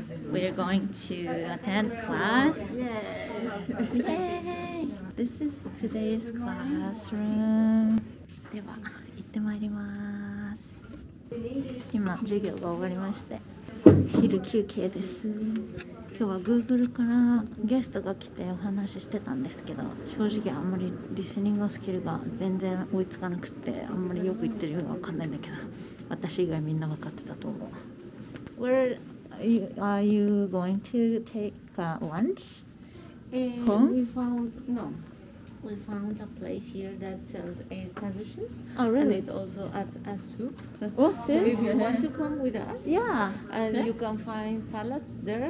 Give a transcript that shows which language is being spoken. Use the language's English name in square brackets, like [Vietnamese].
[English] We're going to attend class. Yay! This is today's classroom. [Japanese] では行ってまいります。今授業が終わりまして、昼休憩です。今日は Google からゲストが来てお話ししてたんですけど、正直あんまりリスニングスキルが全然追いつかなくて、あんまりよく言ってるようがわかんないんだけど、私以外みんな分かってたと思う。 [English] Where are you going to take a lunch? Home? We found a place here that sells a sandwiches. Oh, really? And it also adds a soup. Oh, see? So if you want to come with us, yeah. And see? You can find salads there.